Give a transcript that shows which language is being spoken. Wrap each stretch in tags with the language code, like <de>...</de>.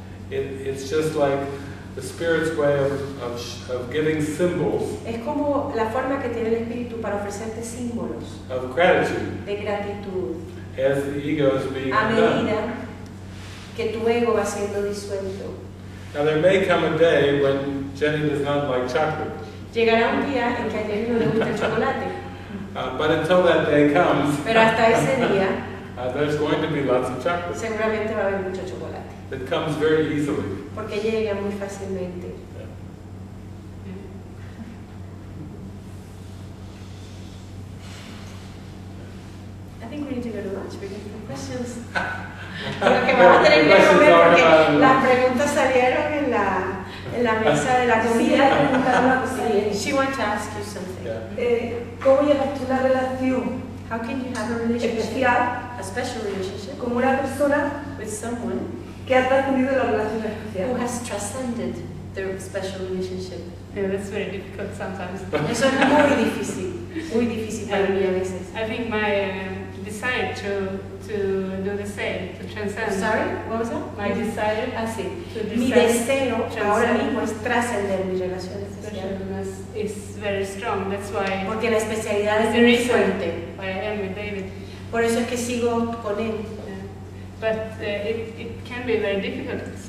<en>It's just like the spirit's way of giving symbols.</en> <es>Es como la forma que tiene el espíritu para ofrecerte símbolos.</es> <en>Of gratitude.</en> <es>De gratitud.</es> <en>As the ego is being</en> <es>a medida que tu ego va siendo disuelto.</es> <en>Now there may come a day when Jenny does not like chocolate.</en> <es>Llegará un día en que a Jenny no le gusta el chocolate.</es> <en>But until that day comes,</en> <es>pero hasta ese día,</es> <en>there's going to be lots of chocolate.</en> <es>Seguramente va a haber mucho chocolate.</es> <en>It comes very easily.</en> <es>Porque llega muy fácilmente.</es> <en>I think we need to go to lunch. We need some questions.</en> <es>Lo que vamos a tener que comer porque las preguntas salieron en la mesa de la comida.</es> <en>She wants to ask you something.</en> <es>¿Cómo llevas tú la relación?</es> <en>How can you have a relationship?</en> <es>Especial,</es> <en>a special relationship.</en> <es>Con una persona</es> <en>with someone</en> <es>que ha trascendido la relación especial.</es> <en>Who has transcended their special relationship? Yeah, that's very difficult sometimes.</en> <es>Eso es muy difícil. Muy difícil para mí a veces.</es> <en>I think my desire to do the same, to transcend. Sorry, what was that? My desire.</en> <es>Ah, sí. Mi deseo ahora mismo es trascender mi relación especial.</es> <en>Is very strong. That's why.</en> <es>Porque la especialidad es muy fuerte.</es> <en>Why I am with David.</en> <es>Por eso es que sigo con él.</es> <en>But it can be very difficult.</en>